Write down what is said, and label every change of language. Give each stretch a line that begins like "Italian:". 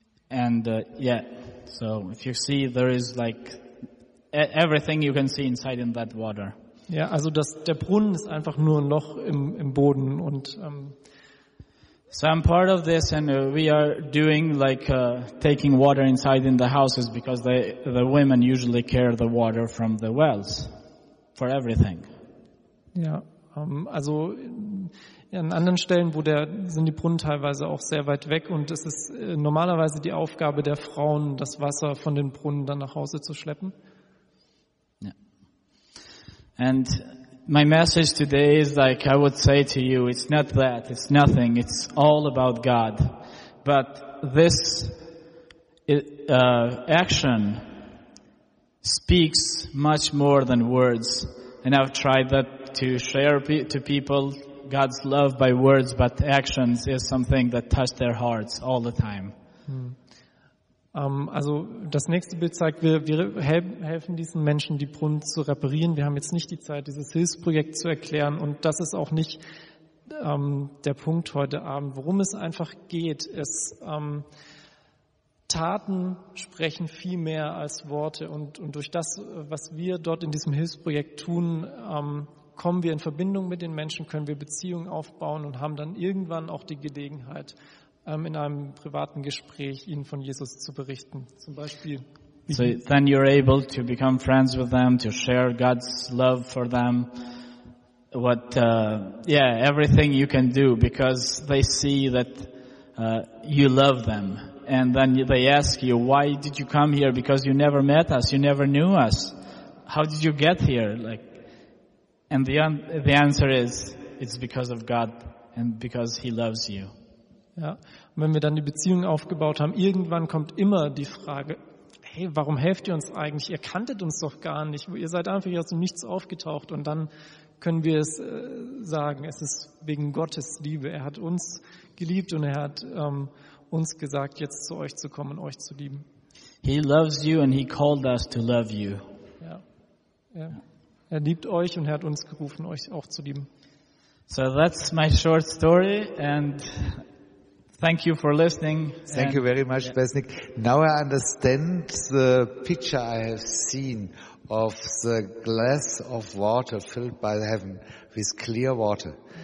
English: And so if you see, there is like everything you can see inside in that water.
German: Ja, also der Brunnen ist einfach nur ein Loch im Boden und
English: So I'm part of this and we are doing like taking water inside in the houses because the women usually carry the water from the wells for everything.
German: Ja, also an anderen Stellen, wo sind die Brunnen teilweise auch sehr weit weg und es ist normalerweise die Aufgabe der Frauen, das Wasser von den Brunnen dann nach Hause zu schleppen. Ja.
English: And my message today is like I would say to you, it's not that, it's nothing, it's all about God. But this action speaks much more than words. And I've tried that to share to people God's love by words but actions is something that touched their hearts all the time.
German: Also das nächste Bild zeigt, wir helfen diesen Menschen, die Brunnen zu reparieren. Wir haben jetzt nicht die Zeit, dieses Hilfsprojekt zu erklären, und das ist auch nicht der Punkt heute Abend. Worum es einfach geht, ist, Taten sprechen viel mehr als Worte, und durch das, was wir dort in diesem Hilfsprojekt tun, kommen wir in Verbindung mit den Menschen, können wir Beziehungen aufbauen und haben dann irgendwann auch die Gelegenheit, in einem privaten Gespräch ihnen von Jesus zu berichten, zum Beispiel.
English: So then you're able to become friends with them, to share God's love for them, everything you can do, because they see that you love them. And then they ask you, why did you come here? Because you never met us, you never knew us. How did you get here? Like, and the answer is, it's because of God and because He loves you.
German: Ja, und wenn wir dann die Beziehung aufgebaut haben, irgendwann kommt immer die Frage, hey, warum helft ihr uns eigentlich? Ihr kanntet uns doch gar nicht. Ihr seid einfach aus dem Nichts aufgetaucht. Und dann können wir es sagen, es ist wegen Gottes Liebe. Er hat uns geliebt und er hat uns gesagt, jetzt zu euch zu kommen und euch zu lieben.
English: He loves you and he called us to love you.
German: Ja. Er liebt euch und er hat uns gerufen, euch auch zu lieben.
English: So that's my short story and thank you for listening. Thank you very much, Besnik. Now I understand the picture I have seen of the glass of water filled by heaven with clear water.